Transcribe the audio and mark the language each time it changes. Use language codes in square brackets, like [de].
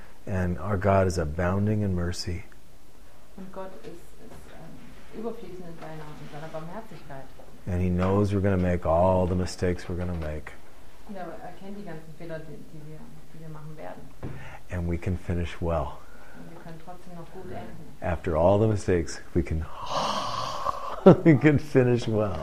[en] And our God is abounding in mercy. [de] Und Gott ist überfließend in seiner Barmherzigkeit. [en] And he knows we're going to make all the mistakes we're going to make. [de] Und er kennt die ganzen Fehler, die wir machen werden. [en] And we can finish well. [de] Und wir können trotzdem noch gut enden. [en] After all the mistakes, we can we can finish well.